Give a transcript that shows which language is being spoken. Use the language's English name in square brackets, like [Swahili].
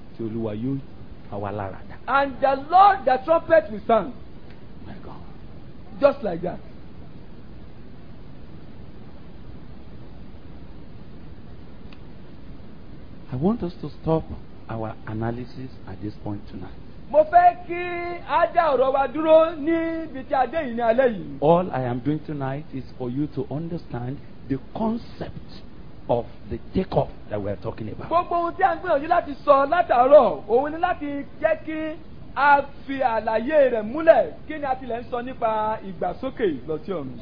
[Yoruba] Tí Olúwa yóò fà wá lára dá. [English] And the Lord, the trumpet will sound. My God. Just like that. I want us to stop our analysis at this point tonight. [Yoruba] Mo fẹ́ kí a dá ọ̀rọ̀ wa dúró ní ibi tí a dé yìí ní alẹ́ yìí. [English] All I am doing tonight is for you to understand the concept of the take-off that we are talking about. [Yoruba] Gbogbo ohun tí a ń gbìyànjú láti sọ látàárọ̀, òun ni láti jẹ́ kí a fi àlàyé rẹ̀ múlẹ̀ kí ni a tilẹ̀ ń sọ nípa ìgbàsókè lọ́tí ọ̀run.